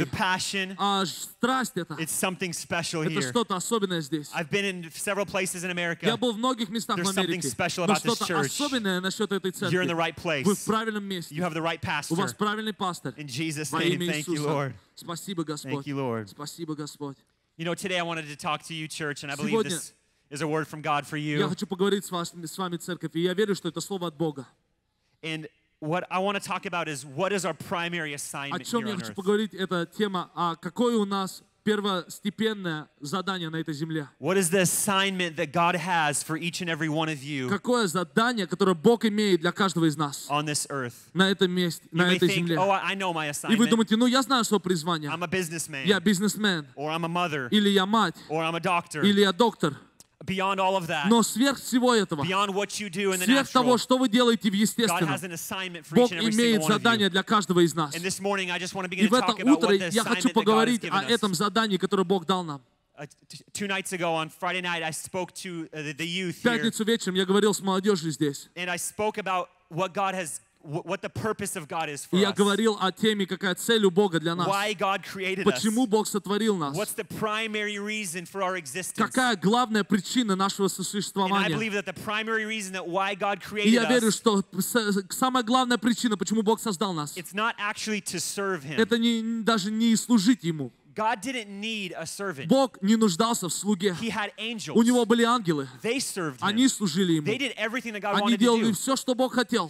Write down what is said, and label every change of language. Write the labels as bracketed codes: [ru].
[en] The passion. [ru] Страсть это. [en] It's something special [ru] это [en] here. [ru] Что-то особенное здесь. [en] I've been in several places in America. [ru] Я был в многих местах в Америке. [en] There's something special about this church. [ru] Но что-то особенное насчет этой церкви. [en] You're in the right place. [ru] Вы в правильном месте. [en] You have the right pastor. [ru] У вас правильный пастор. [en] In Jesus' name, thank you, Lord. [ru] Спасибо, Господь. [en] Thank you, Lord. [ru] Спасибо, Господь. [en] You know, today I wanted to talk to you, church, and I believe this is a word from God for you. [ru] Я хочу поговорить с вами, церковь, и я верю, что это слово от Бога. [en] And what I want to talk about is what is our primary assignment here on earth. [ru] О чем я хочу поговорить, это тема, а какое у нас первостепенное задание на этой земле? [en] What is the assignment that God has for each and every one of you? [ru] Какое задание, которое Бог имеет для каждого из нас? [en] On this earth. [ru] На этом месте, на этой земле. [en] You may think, oh, I know my assignment. [ru] И вы думаете, ну я знаю свое призвание. [en] I'm a businessman. [ru] Я бизнесмен. [en] Or I'm a mother. [ru] Или я мать. [en] Or I'm a doctor. [ru] Или я доктор. [en] Beyond all of that. [ru] Но сверх всего этого. [en] Beyond what you do in the natural. [ru] Сверх того, что вы делаете в естественном. [en] God has an assignment for [ru] Бог имеет задание для каждого из нас. [en] And this morning I just want to begin [ru] И в это утро я хочу поговорить о этом задании, которое Бог дал нам. [en] Two nights ago on Friday night I spoke to the youth here. [ru] В пятницу вечером я говорил с молодежью здесь. [en] And I spoke about what God has what the purpose of God is for us. [ru] Я говорил о теме, какая цель у Бога для нас. [en] Why God created us. [ru] Почему Бог сотворил нас. [en] What's the primary reason for our existence. [ru] Какая главная причина нашего существования. [en] And I believe that the primary reason that why God created us. [ru] Я верю, что самая главная причина, почему Бог создал нас. [en] It's not actually to serve Him. [ru] Это не даже не служить Ему. [en] God didn't need a servant. [ru] Бог не нуждался в слуге. [en] He had angels. [ru] У него были ангелы. [en] They served him. [ru] Они служили ему. [en] They did everything that God wanted to do. [ru] Они делали все, что Бог хотел.